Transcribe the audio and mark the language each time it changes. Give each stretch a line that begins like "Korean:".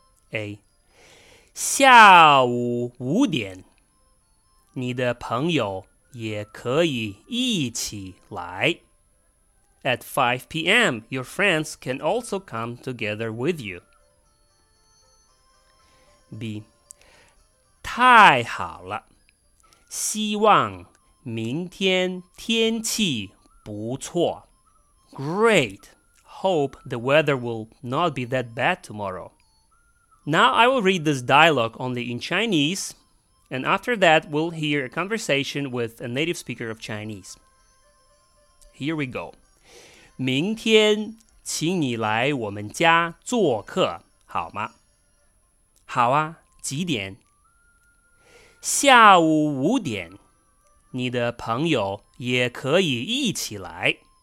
Chinese: A下午五点，你的朋友也可以一起来。
English: At 5 p.m., your friends can also come together with you. B.
Chinese: 太好了，希望明天天气不错。
English: Great. Hope the weather will not be that bad tomorrow. Now I will read this dialogue only in Chinese, and after that we'll hear a conversation with a native speaker of Chinese. Here we go.
Chinese: 明天请你来我们家做客好吗？好啊，几点？下午五点，你的朋友也可以一起来。